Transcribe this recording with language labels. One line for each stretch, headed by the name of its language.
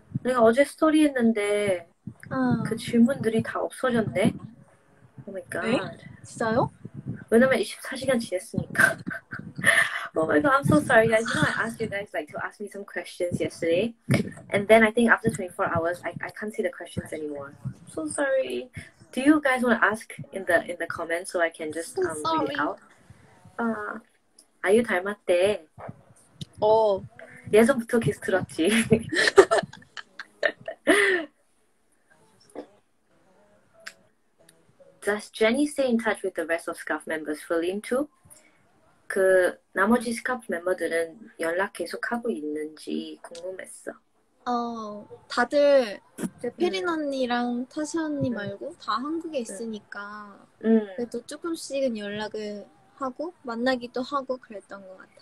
Korean: 내가 어제 스토리 했는데 그 질문들이 다 없어졌네.
English: 오 마이 에? 갓.
Korean: 진짜요? 왜냐면 24시간 지냈으니까.
English: 오 마이 갓, I'm so sorry guys. You know I asked you guys like to ask me some questions yesterday, and then I think after 24 hours I can't see the questions anymore. So sorry. Do you guys want to ask in the comments so I can just read it Sorry.
Korean: out? 아유 닮았대. 예전부터 계속 들었지.
English: 제니 stay in touch with the rest of SCUF members, Feline too?
Korean: 그 나머지 SCUF 멤버들은 연락 계속 하고 있는지 궁금했어. 다들 페린 언니랑 타샤 언니 말고 다 한국에 있으니까 그래도 조금씩은 연락을 하고 만나기도 하고 그랬던 것